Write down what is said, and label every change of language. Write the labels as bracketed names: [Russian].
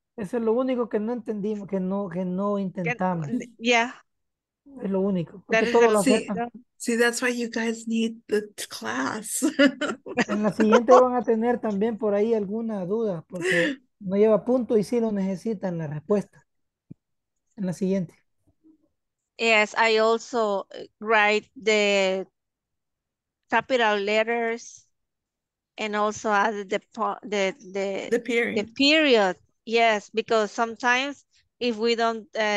[Spanish] Es lo único que no entendimos, que no intentamos. [English] Yeah. [Spanish] Es lo único. [English] See, that's why you guys need the class. [Spanish] En la siguiente van a tener también por ahí alguna duda, porque no lleva punto y sí lo necesitan la respuesta. En la siguiente. [English] Yes, I also write the capital letters and also add the period. Yes, because sometimes if we don't